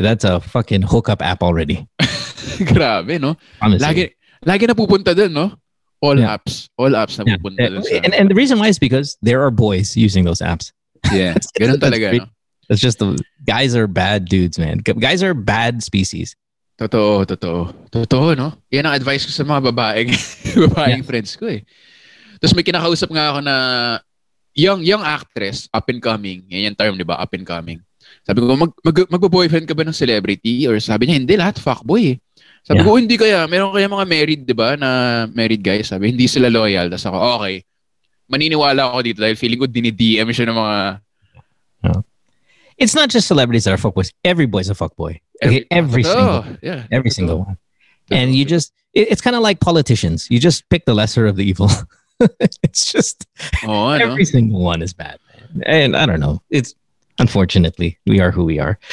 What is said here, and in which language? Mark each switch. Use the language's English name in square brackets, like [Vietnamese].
[English] That's a fucking hookup app already. [Filipino] Grabe, no? [English] Honestly. [Filipino] Lagi napupunta dun, no? [English] All apps. [Filipino] All apps napupunta dun. [English] And the reason why is because there are boys using those apps. [Filipino] Yeah. Ganun talaga, no? [English] It's just the guys are bad dudes, man. Guys are bad species. [Filipino] Totoo. Totoo, no? Yan ang advice ko sa mga babaeng friends ko, eh. Tapos may kinakausap nga ako na young actress, up and coming. Yan yung term, di ba? Up and coming. Sabi ko, magbo-boyfriend ka ba ng celebrity? Or sabi niya, hindi, lahat fuckboy. Sabi ko, hindi kaya. Meron kaya mga married, di ba, na married guys. Sabi, hindi sila loyal. Tapos ako, okay. Maniniwala ako dito dahil feeling ko dinidm siya ng mga... [English] It's not just celebrities that are fuckboys. Every boy's a fuckboy. Okay, every single one. Yeah. Every single one. And you just... It's kind of like politicians. You just pick the lesser of the evil. It's just... Oh, every single one is bad, man. And I don't know. It's... Unfortunately, we are who we are.